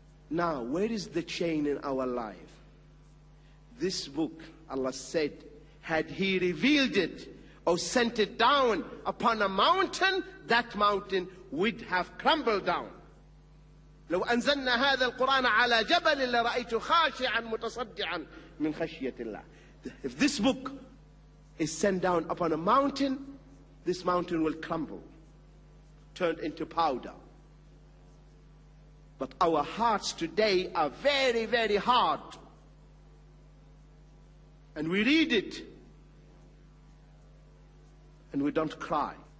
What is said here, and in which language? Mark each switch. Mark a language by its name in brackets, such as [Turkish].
[English] Now, where is the chain in our life? This book, Allah said, had he revealed it or sent it down upon a mountain, that mountain would have crumbled down. [Arabic] لو أنزلنا هذا القرآن على جبل لرأيت خاشعا متصدعا من خشية الله. [English] If this book is sent down upon a mountain, this mountain will crumble, turn into powder. But our hearts today are very, very hard. And we read it, and we don't cry.